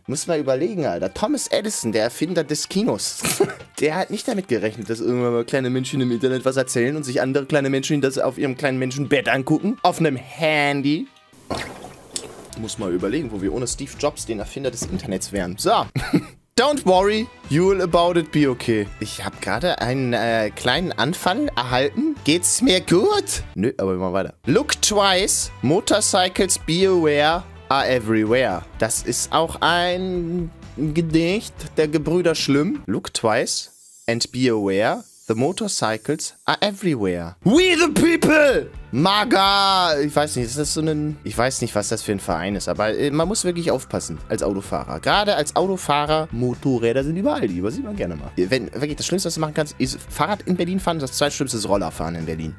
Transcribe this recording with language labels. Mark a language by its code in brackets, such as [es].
[de] Muss mal überlegen, Alter. Thomas Edison, der Erfinder des Kinos. Der hat nicht damit gerechnet, dass irgendwann mal kleine Menschen im Internet was erzählen und sich andere kleine Menschen das auf ihrem kleinen Menschenbett angucken. Auf einem Handy. Muss mal überlegen, wo wir ohne Steve Jobs den Erfinder des Internets wären. So. [en] Don't worry, you'll about it be okay. [de] Ich habe gerade einen kleinen Anfall erhalten. Geht's mir gut? Nö, aber wir machen weiter. [en] Look twice, motorcycles be aware are everywhere. [de] Das ist auch ein Gedicht der Gebrüder Schlimm. [en] Look twice and be aware. The motorcycles are everywhere. We the people! MAGA! [de] Ich weiß nicht, ist das so ein... Ich weiß nicht, was das für ein Verein ist, aber man muss wirklich aufpassen als Autofahrer. Gerade als Autofahrer, Motorräder sind überall, die sieht man gerne mal. Wenn wirklich das Schlimmste, was du machen kannst, ist Fahrrad in Berlin fahren, das zweitschlimmste ist Rollerfahren in Berlin.